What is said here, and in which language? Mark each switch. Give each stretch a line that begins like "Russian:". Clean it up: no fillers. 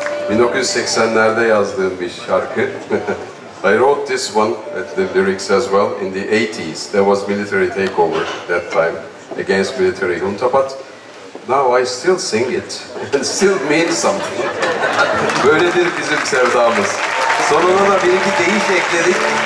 Turkish: 1980'lerde yazdığım bir şarkı.
English: I wrote this one at the lyrics as well in the 80s. There was military takeover that time against military junta, but now I still sing it and still mean something.
Turkish: Böyledir bizim sevdamız. Sonuna da bir iki deyiş ekledik.